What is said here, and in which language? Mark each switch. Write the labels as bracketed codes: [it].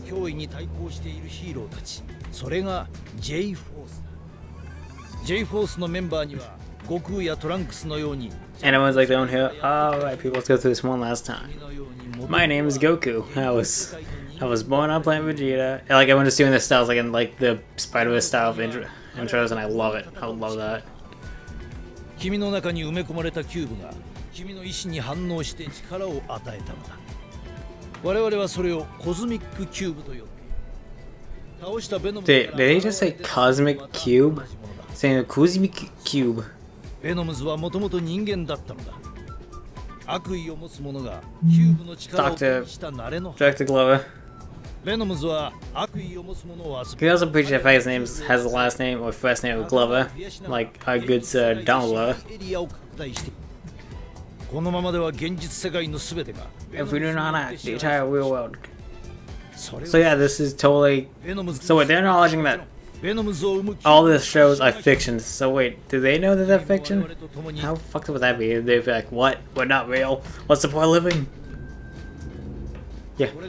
[en] And everyone's like, they don't hear. Alright, people, let's go through this one last time. My name is Goku. I was born on planet Vegeta. And, like, everyone's just doing their styles, like, in, like, the Spider-Verse style of intros, and I love it. I love that. [ja] 君の中に埋め込まれたキューブが君の意志に反応して力を与えたのだ。我々はそれをコズミックキューブと呼んで。倒したベノムズから。 [en] Did they just say cosmic cube? Saying cosmic cube. [ja] ベノムズはもともと人間だったのだ。悪意を持つ者がキューブの力を手にした慣れの。 [en] Doctor Glover. [ja] ベノムズは悪意を持つ者を忘れた。 [en] He also preached that his name has the last name or first name of Glover, like a good Donald Glover. [ja] このままでは現実世界のすべてが。 [en] If we do not act, the entire real world. So yeah, this is totally. So wait, they're acknowledging that all these shows are fiction. So wait, do they know that they're fiction? How fucked up would that be? They'd be like, what? We're not real. What's the point of living? Yeah.